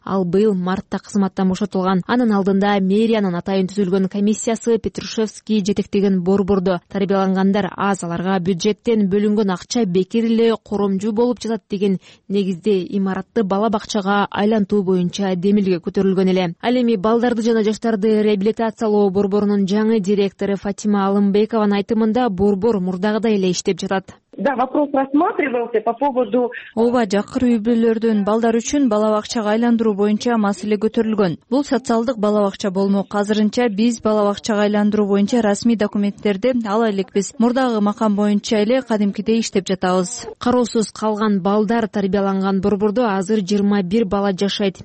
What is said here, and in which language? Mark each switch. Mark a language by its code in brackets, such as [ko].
[ky] Ал быйыл мартта кызматтан бошотулган. Анын алдында Мериянын атайын түзүлгөн комиссиясы Петрушевский жетектеген борбордо тарбияланганда аз, аларга бюджеттен бөлүнгөн акча бекерле коромжу болуп жатат деген негизде имаратты бала бакчага айлантуу боюнча демилге көтөрүлгөн эле. Ал эми балдарды жана жаштарды реабилитациялоо борборунун жаңы директору Фатима Алымбекованын айтымында борбор мурдагыдай эле иштеп жатат. [ru] Да, вопрос рассматривался по поводу [ky] Ооба, жакыр үй-бүлөлөрдүн балдар үчүн бала бакчага айландыруу боюнча маселе көтөрүлгөн. Бул социалдык бала бакча болмок. Азырынча биз бала бакчага айландыруу боюнча расмий документтерди ала элекпиз. Мурдагы макам боюнча эле кадимкидей иштеп жатабыз. Кароосуз калган балдар тарбияланган борбордо азыр 21 бала жашайт.